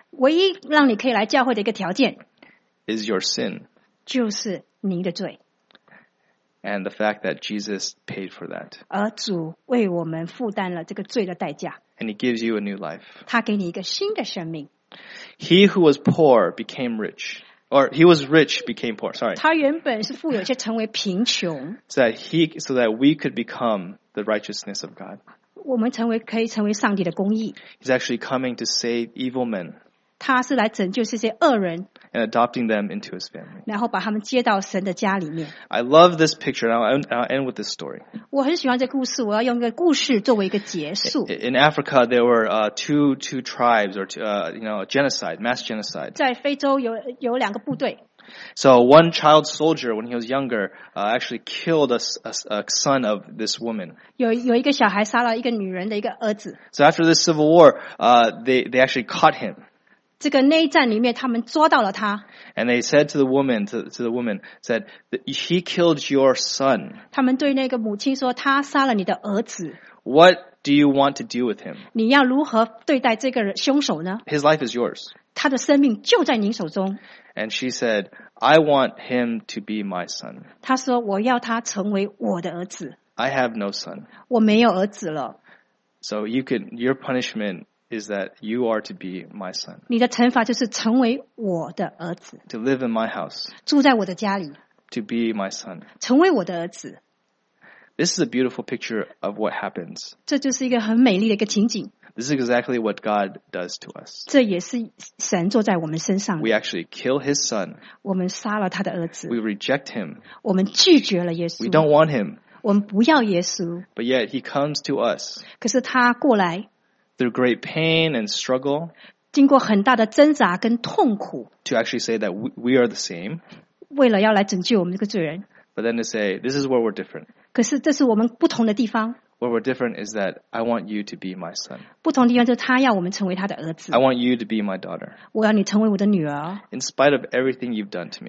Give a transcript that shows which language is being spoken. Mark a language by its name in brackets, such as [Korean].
[Chinese] 唯一让你可以来教会的一个条件。 [English] Is your sin. [Chinese] 就是你的罪。 [English] And the fact that Jesus paid for that. [Chinese] 而主为我们负担了这个罪的代价。 [English] And he gives you a new life. [Chinese] 他给你一个新的生命。 [English] He who was poor became rich. Or he was rich became poor. Sorry. [Chinese] 他原本是富有却成为贫穷。 [English] So that we could become the righteousness of God. [Chinese] 我们可以成为上帝的公义。 [English] He's actually coming to save evil men. [Chinese] 他是来拯救这些恶人。 [English] And adopting them into his family. [Chinese] 然后把他们接到神的家里面。 [English] I love this picture, and I'll end with this story. [Chinese] 我很喜欢这故事，我要用一个故事作为一个结束。 [English] In Africa, there were two tribes, or genocide, mass genocide. [Chinese] 在非洲有两个部队。 [English] So one child soldier, when he was younger, actually killed a son of this woman. [Chinese] 有一个小孩杀了一个女人的一个儿子。 [English] So after this civil war, they actually caught him. [Chinese] 这个内战里面他们抓到了他。 [English] And they said to the woman, said, he killed your son. [Chinese] 他们对那个母亲说他杀了你的儿子。 [English] What do you want to do with him? [Chinese] 你要如何对待这个凶手呢? [English] His life is yours. [Chinese] 他的生命就在您手中。 [English] And she said, I want him to be my son. [Chinese] 他说我要他成为我的儿子。 [English] I have no son. [Chinese] 我没有儿子了。 [English] So you can, your punishment,is that you are to be my son. [Chinese] 你的惩罚就是成为我的儿子。 [English] To live in my house. [Chinese] 住在我的家里。 [English] To be my son. [Chinese] 成为我的儿子。 [English] This is a beautiful picture of what happens. [Chinese] 这就是一个很美丽的一个情景。 [English] This is exactly what God does to us. [Chinese] 这也是神坐在我们身上。 [English] We actually kill his son. [Chinese] 我们杀了他的儿子。 [English] We reject him. [Chinese] 我们拒绝了耶稣。 [English] We don't want him. [Chinese] 我们不要耶稣。 [English] But yet he comes to us. [Chinese] 可是他过来。 [English] Through great pain and struggle, [Chinese] 经过很大的挣扎跟痛苦 [English] to actually say that we are the same, [Chinese] 为了要来拯救我们这个罪人 [English] but then to say, this is where we're different. [Chinese] 可是这是我们不同的地方 [English] Where we're different is that I want you to be my son. [Chinese] 不同地方就是他要我们成为他的儿子。 [English] I want you to be my daughter. [Chinese] 我要你成为我的女儿。 [English] In spite of everything you've done to me.